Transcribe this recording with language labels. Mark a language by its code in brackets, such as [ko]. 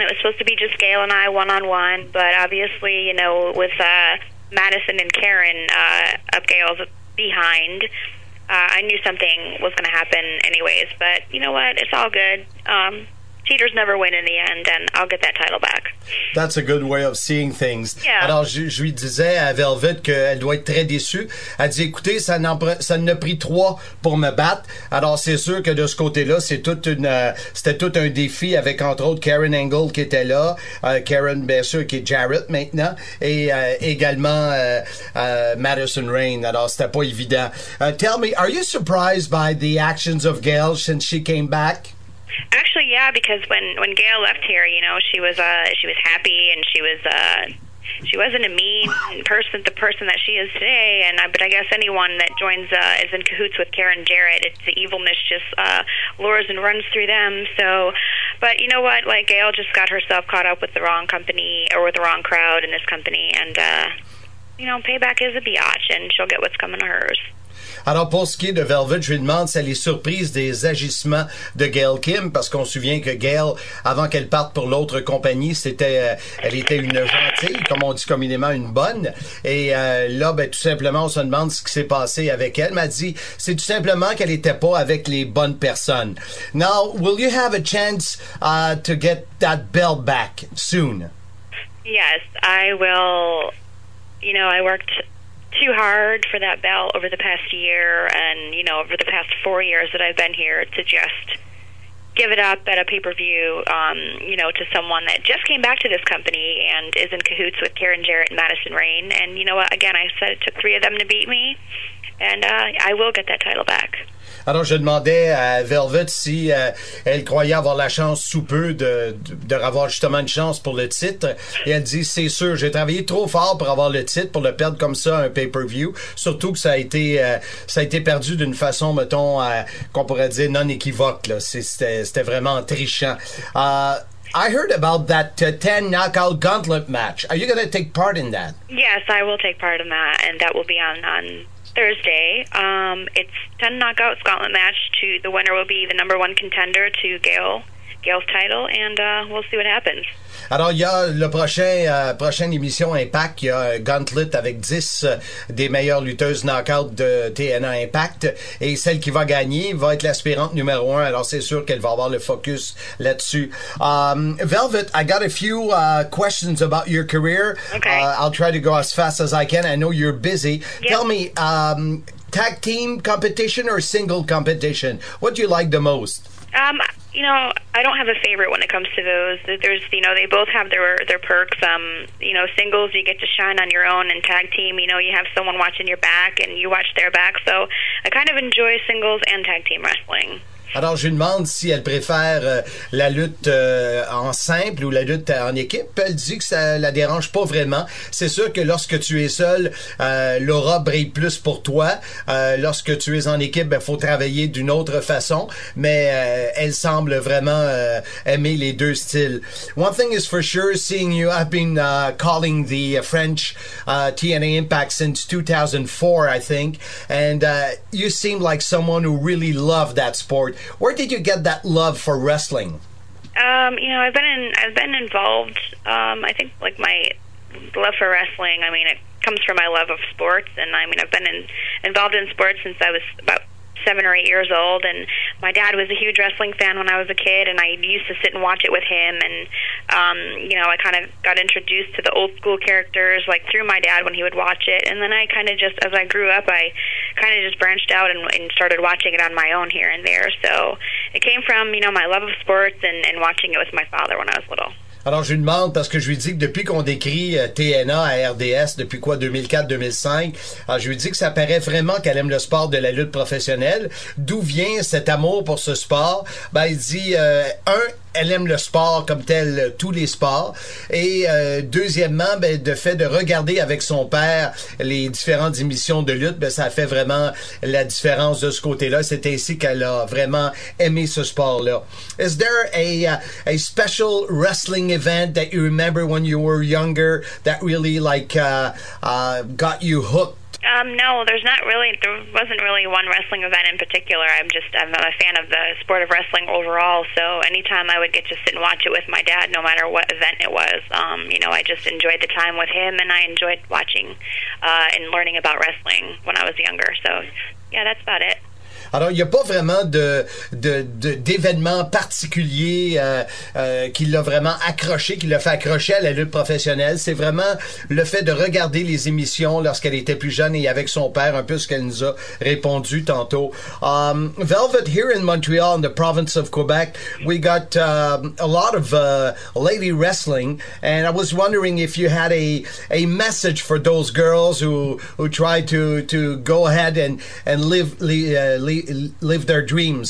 [en] It was supposed to be just Gail and I one-on-one, but obviously, you know, with... Madison and Karen up Gail's behind. I knew something was going to happen anyways, but you know what? It's all good. Cheaters never win in the end, and I'll get that title back. That's a good way of seeing things. Yeah. [fr] Alors, je lui disais à Velvet qu'elle doit être très déçue. Elle dit, écoutez, ça n'a pris 3 pour me battre. Alors, c'est sûr que de ce côté-là, c'était tout un défi avec, entre autres, Karen Angle qui était là. Karen, bien sûr, qui est Jarrett maintenant. Et également Madison Rayne. Alors, c'était pas évident. [en] Tell me, are you surprised by the actions of Gail since she came back? Actually, yeah, because when Gail left here, you know, she was happy, and she wasn't a mean person, the person that she is today. And but I guess anyone that joins is in cahoots with Karen Jarrett, it's the evilness just lures and runs through them. So, But you know what? Like, Gail just got herself caught up with the wrong company or with the wrong crowd in this company. And, you know, payback is a biatch, and she'll get what's coming to hers. [fr] Alors, pour ce qui est de Velvet, je lui demande si elle est surprise des agissements de Gail Kim, parce qu'on se souvient que Gail, avant qu'elle parte pour l'autre compagnie, elle était une gentille, comme on dit communément, une bonne. Et là, ben, tout simplement, on se demande ce qui s'est passé avec elle. Elle m'a dit, c'est tout simplement qu'elle n'était pas avec les bonnes personnes. [en] Now, will you have a chance to get that belt back soon? Yes, I will. You know, I worked too hard for that belt over the past year, and you know, over the past 4 years that I've been here, to just give it up at a pay-per-view, you know, to someone that just came back to this company and is in cahoots with Karen Jarrett and Madison Rayne. And you know what, again, I said it took three of them to beat me, and I will get that title back. [fr] Alors, je demandais à Velvet si elle croyait avoir la chance sous peu de revoir justement une chance pour le titre. Et elle dit, c'est sûr, j'ai travaillé trop fort pour avoir le titre, pour le perdre comme ça un pay-per-view. Surtout que ça a été perdu d'une façon, mettons, qu'on pourrait dire non équivoque. Là. C'était vraiment trichant. [en] I heard about that 10 knockout gauntlet match. Are you going to take part in that? Yes, I will take part in that, and that will be on Thursday. It's 10 knockout gauntlet match. The winner will be the number one contender to Gail's title, and we'll see what happens. [fr] Alors, il y a le prochaine émission Impact, il y a un gauntlet avec 10 des meilleures lutteuses knockout de TNA Impact, et celle qui va gagner va être l'aspirante numéro 1, alors c'est sûr qu'elle va avoir le focus là-dessus. [en] Velvet, I got a few questions about your career. Okay. I'll try to go as fast as I can. I know you're busy. Yep. Tell me, tag team competition or single competition? What do you like the most? You know, I don't have a favorite when it comes to those. There's, you know, they both have their perks. You know, singles, you get to shine on your own, and tag team, you know, you have someone watching your back and you watch their back. So I kind of enjoy singles and tag team wrestling. [fr] Alors, je lui demande si elle préfère la lutte en simple ou la lutte en équipe. Elle dit que ça la dérange pas vraiment. C'est sûr que lorsque tu es seul, l'aura brille plus pour toi. Lorsque tu es en équipe, ben, faut travailler d'une autre façon. Mais elle semble vraiment aimer les deux styles. [en] One thing is for sure, seeing you, I've been calling the French TNA Impact since 2004, I think. And you seem like someone who really loved that sport. Where did you get that love for wrestling? You know, I've been involved. I think like my love for wrestling, I mean, it comes from my love of sports, and I mean, I've been involved in sports since I was about 7 or 8 years old, and my dad was a huge wrestling fan when I was a kid, and I used to sit and watch it with him, and you know, I kind of got introduced to the old school characters like through my dad when he would watch it, and then I kind of just, as I grew up, I kind of just branched out and started watching it on my own here and there. So it came from, you know, my love of sports and watching it with my father when I was little. [fr] Alors, je lui demande, parce que je lui dis que depuis qu'on décrit TNA à RDS, depuis quoi, 2004-2005, je lui dis que ça paraît vraiment qu'elle aime le sport de la lutte professionnelle. D'où vient cet amour pour ce sport? Ben, il dit, elle aime le sport comme tel, tous les sports. Et deuxièmement, ben, de fait de regarder avec son père les différentes émissions de lutte, ben, ça a fait vraiment la différence de ce côté-là. C'est ainsi qu'elle a vraiment aimé ce sport-là. [en] Is there a special wrestling event that you remember when you were younger that really, like, got you hooked? No, there wasn't really one wrestling event in particular. I'm a fan of the sport of wrestling overall, so anytime I would get to sit and watch it with my dad, no matter what event it was, you know, I just enjoyed the time with him, and I enjoyed watching and learning about wrestling when I was younger. So, yeah, that's about it. [fr] Alors, il n'y a pas vraiment d'événement particulier qui l'a vraiment accroché, qui l'a fait accrocher à la lutte professionnelle. C'est vraiment le fait de regarder les émissions lorsqu'elle était plus jeune et avec son père, un peu ce qu'elle nous a répondu tantôt. [en] Velvet, here in Montreal, in the province of Quebec, we got a lot of lady wrestling, and I was wondering if you had a message for those girls who try to go ahead and live their dreams.